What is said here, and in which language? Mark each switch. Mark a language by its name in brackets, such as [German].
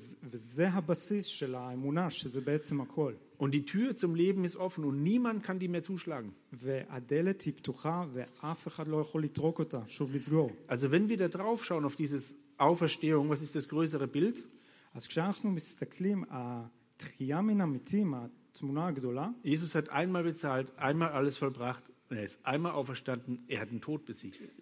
[Hebrew] וזה הבסיס של האמונה, שזה בעצם הכל. [German] Und die Tür zum Leben ist offen und niemand kann die mehr zuschlagen. [Hebrew] והדלת היא פתוחה ואף אחד לא יכול לטרוק אותה, שוב לסגור. [German] Also wenn wir da drauf schauen auf dieses Auferstehung, was ist das größere Bild? [Hebrew] אז כשאנחנו מסתכלים, התחייה מן המתים, התמונה הגדולה, [German] Jesus hat einmal bezahlt, einmal alles vollbracht, er ist einmal auferstanden, er hat den Tod besiegt.